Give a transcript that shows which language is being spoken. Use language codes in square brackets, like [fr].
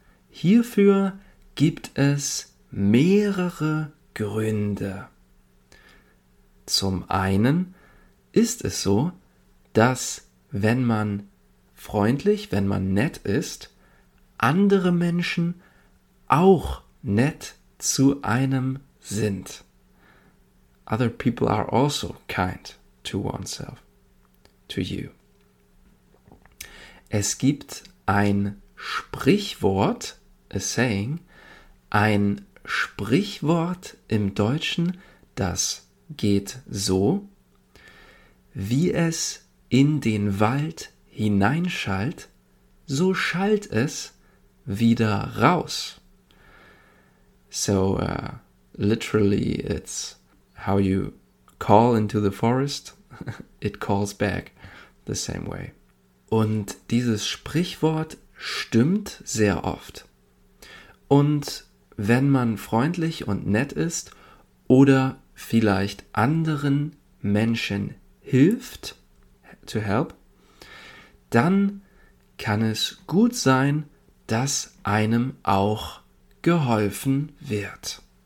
[de] Hierfür gibt es mehrere Gründe. Zum einen ist es so, dass wenn man freundlich, wenn man nett ist, andere Menschen auch nett zu einem sind. [en] Other people are also kind to oneself, to you. [de] Es gibt ein Sprichwort, [en] a saying, [de] ein Sprichwort im Deutschen, das geht so, wie es in den Wald hineinschallt, so schallt es wieder raus. [en] So literally it's how you call into the forest, it calls back the same way. [de] Und dieses Sprichwort stimmt sehr oft. Und wenn man freundlich und nett ist oder vielleicht anderen Menschen hilft, [en] to help, [de] dann kann es gut sein, dass einem auch geholfen wird.